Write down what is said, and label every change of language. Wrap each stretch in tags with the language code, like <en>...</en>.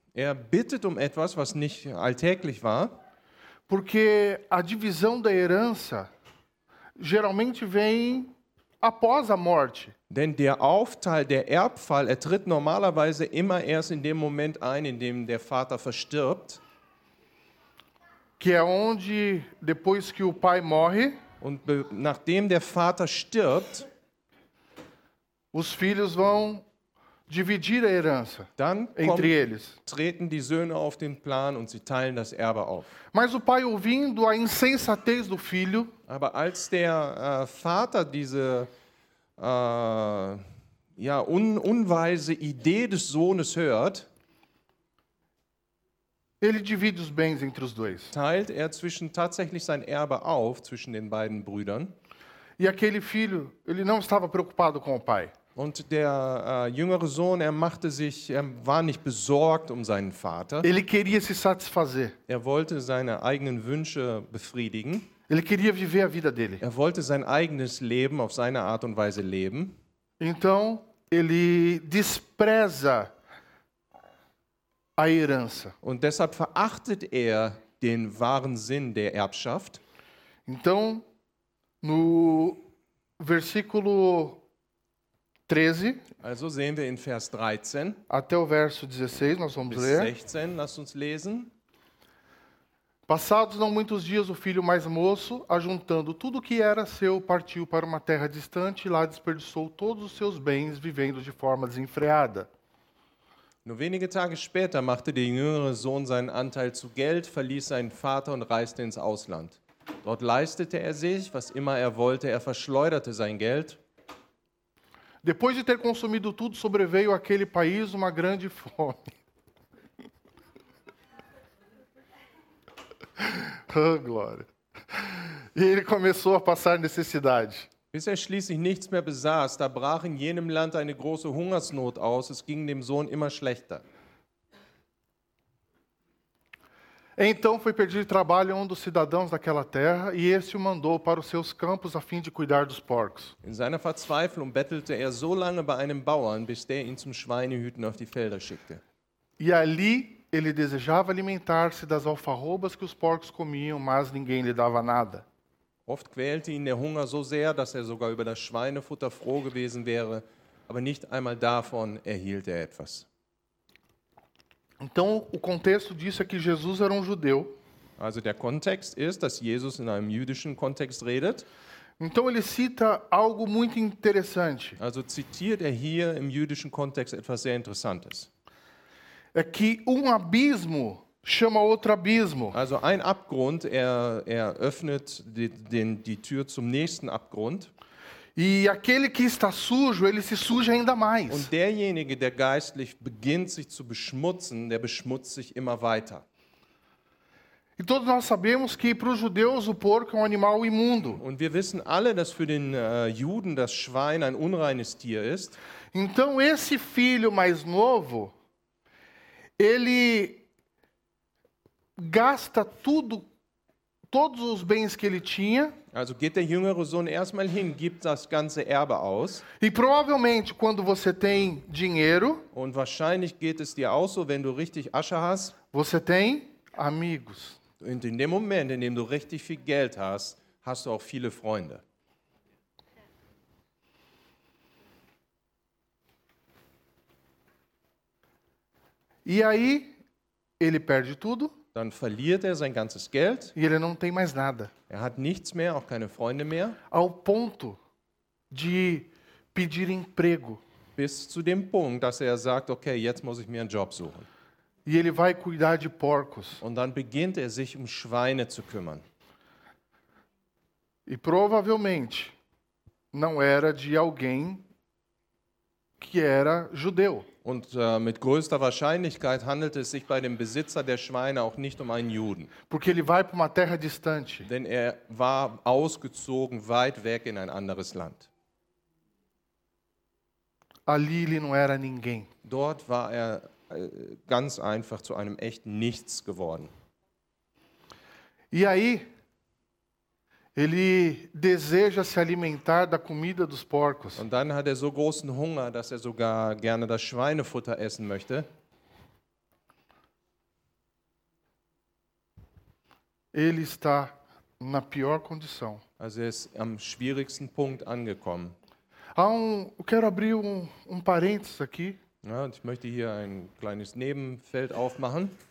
<de>Er bittet um etwas, was nicht alltäglich war.</de> <pt>Porque a divisão da herança geralmente vem após a morte.</pt> <de>Denn der Aufteil, der Erbfall, er tritt normalerweise immer erst in dem Moment ein, in dem der Vater verstirbt.</de> <pt>Que é onde, depois que o pai morre,</pt> <de>und nachdem der Vater stirbt,</de> <pt>os filhos vão dividir a herança</pt> <de>dann</de> <pt>entre eles.</pt> <de>Treten die Söhne auf den Plan und sie teilen das Erbe auf.</de> <pt>Mas o pai, ouvindo a insensatez do filho,</pt> <de>aber als der Vater diese unweise Idee des Sohnes hört,</de> <pt>ele divide os bens entre os dois.</pt> <de>Teilt er zwischen tatsächlich sein Erbe auf zwischen den beiden Brüdern.</de> <pt>E aquele filho, ele não estava preocupado com o pai.</pt> <de>Und der jüngere Sohn, er war nicht besorgt um seinen Vater.</de> <pt>Ele queria se satisfazer.</pt> <de>Er wollte seine eigenen Wünsche befriedigen.</de> <pt>Ele queria viver a vida dele.</pt> <de>Er wollte sein eigenes Leben auf seine Art und Weise leben.</de> <pt>Então, ele despreza a herança.</pt> <de>Und deshalb verachtet er den wahren Sinn der Erbschaft.</de> <pt>Então, no versículo 13,</pt> <de>also sehen wir in Vers 13,</de> <pt>até o verso 16, nós vamos ler.</pt> <de>16, lasst uns lesen.</de> <pt>Passados não muitos dias, o filho mais moço, ajuntando tudo o que era seu, partiu para uma terra distante e lá desperdiçou todos os seus bens, vivendo de forma desenfreada.</pt> <de>Nur wenige Tage später machte der jüngere Sohn seinen Anteil zu Geld, verließ seinen Vater und reiste ins Ausland. Dort leistete er sich, was immer er wollte, er verschleuderte sein Geld.</de> <pt>Depois de ter consumido tudo, sobreveio àquele país uma grande fome. Oh, glória. E ele começou a passar necessidade.</pt> <de>Bis er schließlich nichts mehr besaß, da brach in jenem Land eine große Hungersnot aus. Es ging dem Sohn immer schlechter.</de> <pt>Então foi pedir trabalho a um dos cidadãos daquela terra e este o mandou para os seus campos a fim de cuidar dos porcos.</pt> <de>In seiner Verzweiflung bettelte er so lange bei einem Bauern, bis der ihn zum Schweinehüten auf die Felder schickte.</de> <pt>E ali ele desejava alimentar-se das alfarrobas que os porcos comiam, mas ninguém lhe dava nada.</pt> <de>Oft quälte ihn der Hunger so sehr, dass er sogar über das Schweinefutter froh gewesen wäre, aber nicht einmal davon erhielt er etwas.</de> <pt>Então, o contexto disso é que Jesus era um judeu.</pt> <de>Also der Kontext ist, dass Jesus in einem jüdischen Kontext redet.</de> <pt>Então ele cita algo muito interessante.</pt> <de>Also zitiert hier im jüdischen Kontext etwas sehr Interessantes.</de> <pt>É que um abismo chama outro abismo.</pt> <de>Also ein Abgrund, er öffnet die Tür zum nächsten Abgrund.</de> <pt>E aquele que está sujo, ele se suja ainda mais.</pt> <de>Und derjenige, der geistlich beginnt sich zu beschmutzen, der beschmutzt sich immer weiter.</de> <pt>E todos nós sabemos que para os judeus o porco é um animal imundo.</pt> <de>Und wir wissen alle, dass für den Juden das Schwein ein unreines Tier ist.</de> <pt>Então esse filho mais novo, ele gasta tudo, todos os bens que ele tinha.</pt> <de>Also geht der jüngere Sohn erstmal hin, gibt das ganze Erbe aus.</de> <pt>E provavelmente quando você tem dinheiro,</pt> <de>und wahrscheinlich geht es dir auch so, wenn du richtig Asche hast,</de> <pt>você tem amigos.</pt> <de>Und in dem Moment, in dem du richtig viel Geld hast, hast du auch viele Freunde.</de> <pt>E aí ele perde tudo.</pt> <de>Dann verliert er sein ganzes Geld.</de> <pt>E ele não tem mais nada.</pt> <de>Er hat nichts mehr, auch keine Freunde mehr.</de> <pt>Ao ponto de pedir emprego.</pt> <de>Bis zu dem Punkt, dass er sagt, okay, jetzt muss ich mir einen Job suchen.</de> <pt>E ele vai cuidar de porcos.</pt> <de>Und dann beginnt er sich um Schweine zu kümmern.</de> <pt>E provavelmente não era de alguém que era judeu.</pt> <de>Und mit größter Wahrscheinlichkeit handelt es sich bei dem Besitzer der Schweine auch nicht um einen Juden.</de> <pt>Porque ele vai para uma terra distante.</pt> <de>Denn er war ausgezogen weit weg in ein anderes Land.</de> <pt>Ali ele não era ninguém.</pt> <de>Dort war er ganz einfach zu einem echten Nichts geworden.</de> <pt>E aí, Ele deseja se alimentar da comida dos porcos.</pt> <de>Und dann hat er so großen Hunger, dass er sogar gerne das Schweinefutter essen möchte.</de> <pt>Ele está na pior condição.</pt> <de>Also er ist am schwierigsten Punkt angekommen.</de> <pt>Eu quero abrir um parênteses aqui.</pt> <de>Ja, und ich möchte hier ein kleines Nebenfeld aufmachen.</de>